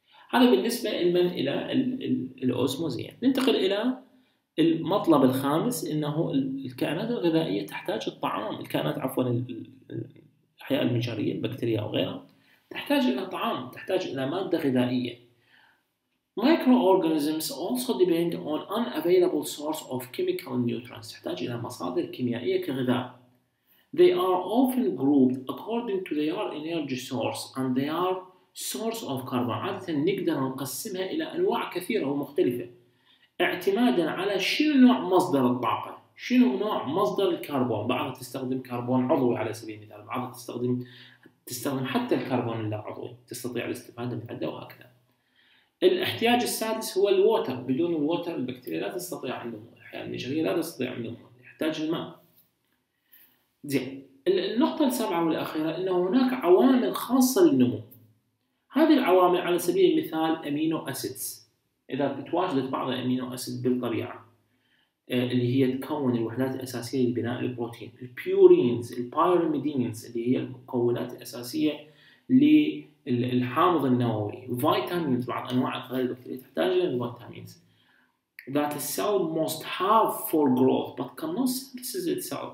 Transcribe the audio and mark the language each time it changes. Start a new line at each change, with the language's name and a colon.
Arabic: هذا بالنسبة لمن إلى الأوزموزية. ننتقل إلى المطلب الخامس، أنه الكائنات الغذائية تحتاج الطعام. الكائنات عفوا الحياة المجرية البكتيريا أو غيرها تحتاج إلى طعام، تحتاج إلى مادة غذائية.
English: Microorganisms also depend on unavailable source of chemical nutrients.
Arabic: تحتاج إلى مصادر كيميائية كغذاء.
English: They are often grouped according to their energy source and their source of carbon.
Arabic: عادة نقدر نقسمها إلى أنواع كثيرة ومختلفة اعتمادا على شنو نوع مصدر الطاقة، شنو نوع مصدر الكربون. بعضها تستخدم كربون عضوي على سبيل المثال، بعضها تستخدم حتى الكربون اللا عضوي، تستطيع الاستفادة من عدة وهكذا. الاحتياج السادس هو الووتر. بدون الووتر البكتيريا لا تستطيع أن تنمو، النشرية لا تستطيع أن تنمو، يحتاج الماء. زين، النقطة السابعة والأخيرة أنه هناك عوامل خاصة للنمو. هذه العوامل على سبيل المثال أمينو أسيدز، إذا تواجدت بعض الأمينو أسيد بالطبيعة اللي هي تكون الوحدات الأساسية لبناء البروتين، البيورينز، البايراميدينز اللي هي المكونات الأساسية للحامض النووي، فيتامينز، بعض أنواع الغذاء البكتيرية تحتاج إلى الفيتامينز.
English: That the cell must have for growth but cannot synthesize itself.